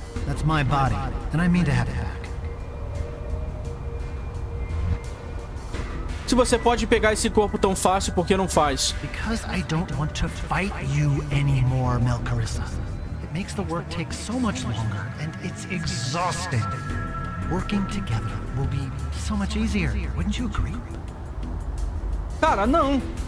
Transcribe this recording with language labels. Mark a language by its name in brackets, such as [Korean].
[English] That's my body, and I mean to have it back. [Portuguese] Se você pode pegar esse corpo tão fácil, por que não faz? [English] Because I don't want to fight you anymore, Melcarissa. It makes the work take so much longer, and it's exhausting. Working together will be so much easier, wouldn't you agree? [Portuguese] Cara, não.